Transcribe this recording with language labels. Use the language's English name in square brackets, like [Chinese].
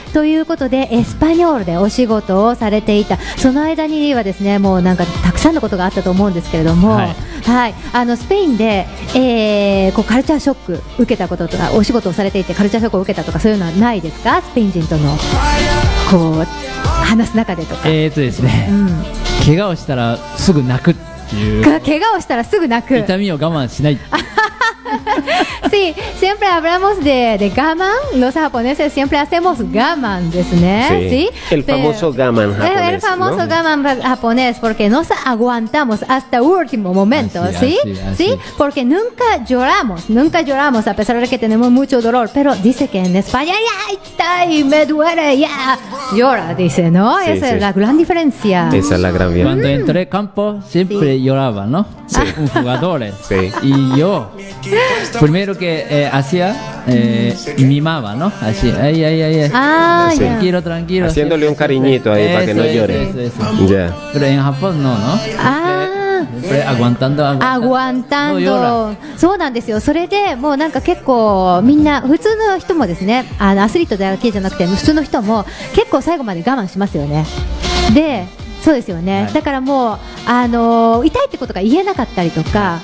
[Japanese] ということでエスパニョールでお仕事をされていた、その間にはですねもうなんかたくさんのことがあったと思うんですけれども、はい、スペインで、こうカルチャーショック受けたこととか、お仕事をされていてカルチャーショックを受けたとか、そういうのはないですか？スペイン人とのこう話す中でとか。ですね、怪我をしたらすぐ泣くっていう。怪我をしたらすぐ泣く、痛みを我慢しない。 [Spanish] Sí, siempre hablamos de gaman. Los japoneses siempre hacemos gaman, ¿sí? Sí, el famoso gaman japonés. El famoso, ¿no?, gaman japonés, porque nos aguantamos hasta último momento, así, ¿sí? Así. Porque nunca lloramos a pesar de que tenemos mucho dolor. Pero dice que en España ya está y me duele, ya llora, dice, ¿no? Sí, esa es la gran diferencia. Esa es la gran diferencia. Cuando entré campo siempre lloraba, ¿no? Sí. Un jugador. Sí. Y yo. Primero que hacía mimaba, ¿no? Así, ay, ay, ay, ay. Tranquilo, tranquilo. Haciéndole un cariñito ahí para que no llore. Pero en Japón no, ¿no? [Japanese] aguantando そうなんですよ。それでもうなんか結構みんな普通の人もですね、アスリートだけじゃなくて普通の人も結構最後まで我慢しますよね。で、そうですよね、はい、だからもう痛いってことが言えなかったりとか、